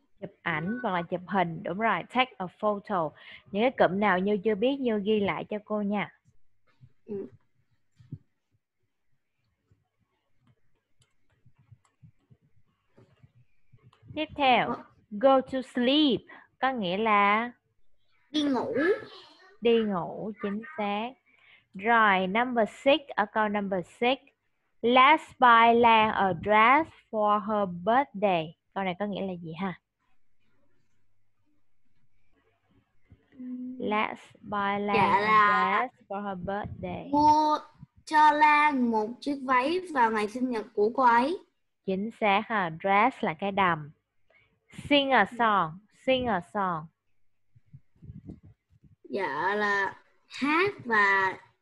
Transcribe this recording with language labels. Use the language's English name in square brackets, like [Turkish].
[Vietnamese] Chụp ảnh hoặc là chụp hình, đúng rồi. [English] Take a photo. [Vietnamese] Những cái cụm nào Như chưa biết, Như ghi lại cho cô nha. Tiếp theo, [English] go to sleep [Vietnamese] có nghĩa là đi ngủ. Đi ngủ, chính xác. Rồi, [English] number 6, [Vietnamese] ở câu [English] number 6, let's buy Lan a dress for her birthday. [Vietnamese] Câu này có nghĩa là gì ha? [English] Let's buy Lan a dress for her birthday. [Vietnamese] Mua cho Lan một chiếc váy vào ngày sinh nhật của cô ấy. Chính xác ha, dress là cái đầm. [English] Sing a song, sing a song. [Vietnamese] Dạ là hát và